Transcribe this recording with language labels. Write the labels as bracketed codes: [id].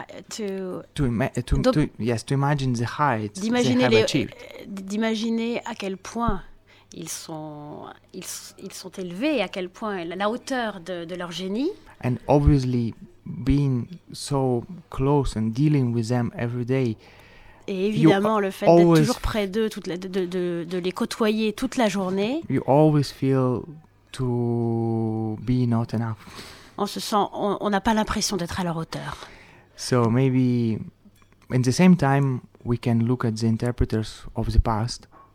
[en] to imagine the heights they have achieved. [fr] D'imaginer à quel point ils sont élevés, à quel point la hauteur de leur génie. [en] And obviously being so close and dealing with them every day. [fr] Et évidemment le fait d'être toujours près d'eux toute la, de les côtoyer toute la journée. [en] You always feel to be not enough. [fr] On n'a pas l'impression d'être à leur hauteur. [en] So maybe in the same time we can look at the interpreters of the past.